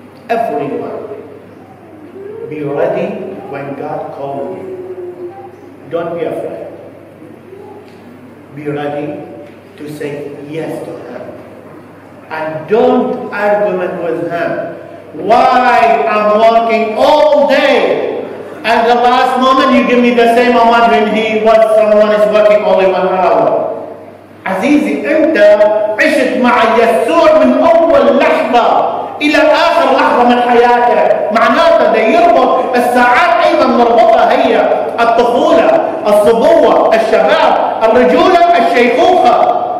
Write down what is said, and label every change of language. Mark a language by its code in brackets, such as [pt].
[en] Every one be ready when God call you don't be afraid be ready to say yes to him And don't argue with him. Why I'm working all day, and the last moment you give me the same amount when he was someone is working only 1 hour. [ar] عزيزي أنت عشت مع يسوع من أول لحظة إلى آخر لحظة من حياتك. معناته ده يربط الساعات أيضا مربوطة هي الطفولة، الصبوة، الشباب، الرجولة، الشيخوخة.